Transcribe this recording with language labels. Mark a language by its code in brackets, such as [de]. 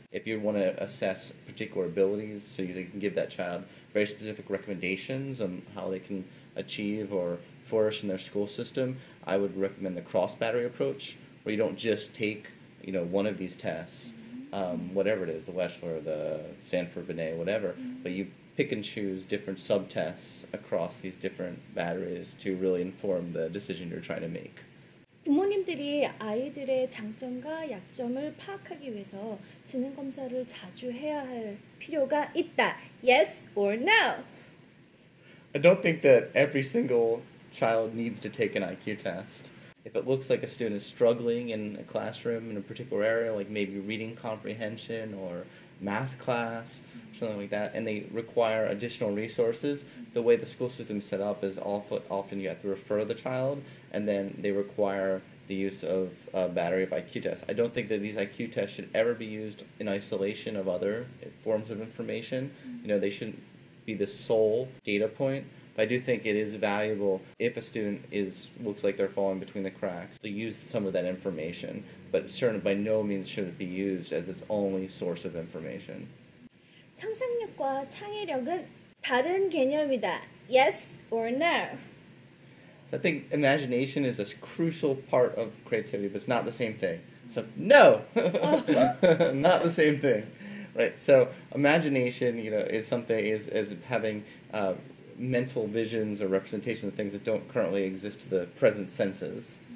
[en] If you want to assess particular abilities, so you can give that child very specific recommendations on how they can achieve or flourish in their school system, I would recommend the cross-battery approach, where you don't just take, you know, one of these tests, whatever it is, the Wechsler, the Stanford-Binet, whatever, but you pick and choose different subtests across these different batteries to really inform the decision you're trying to make. [ko] 부모님들이 아이들의 장점과 약점을 파악하기 위해서 지능검사를 자주 해야 할 필요가 있다. [en] Yes or no? I don't think that every single child needs to take an IQ test. If it looks like a student is struggling in a classroom in a particular area, like maybe reading comprehension or math class, something like that, and they require additional resources, the way the school system is set up is often you have to refer the child, and then they require the use of a battery of IQ tests. I don't think that these IQ tests should ever be used in isolation of other forms of information. You know, they shouldn't be the sole data point. I do think it is valuable if a student looks like they're falling between the cracks to use some of that information, but certainly by no means should it be used as its only source of information. [ko] 상상력과 창의력은 다른 개념이다. [en] Yes or no? So I think imagination is a crucial part of creativity, but it's not the same thing. So no, not the same thing, right? So imagination, you know, is something is having. Mental visions or representation of things that don't currently exist to the present senses.